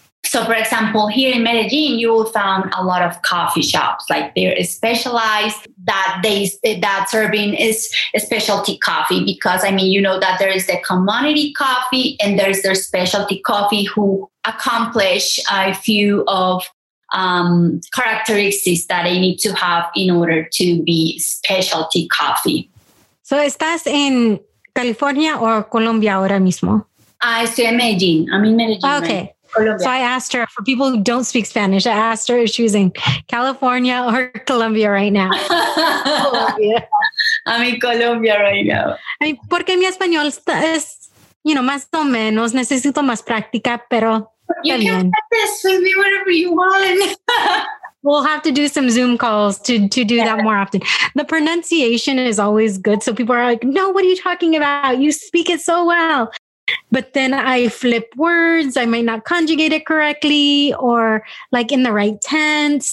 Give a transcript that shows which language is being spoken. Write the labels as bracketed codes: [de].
[en] So for example, here in Medellin, you will find a lot of coffee shops, like they're specialized that serving is specialty coffee, because I mean, you know that there is the commodity coffee and there's their specialty coffee who accomplish a few of characteristics that I need to have in order to be specialty coffee. [es] So, ¿estás en California or Colombia ahora mismo? Estoy en Medellín. [en] I'm in Medellín. Okay. Right? So I asked her, for people who don't speak Spanish, I asked her if she's in California or Colombia right now. Colombia. I'm in Colombia right now. I mean, [es] porque mi español es, you know, más o menos, necesito más práctica, pero... [en] You can get this with me whenever you want. We'll have to do some Zoom calls to do that more often. The pronunciation is always good. So people are like, no, what are you talking about? You speak it so well. But then I flip words. I might not conjugate it correctly or like in the right tense.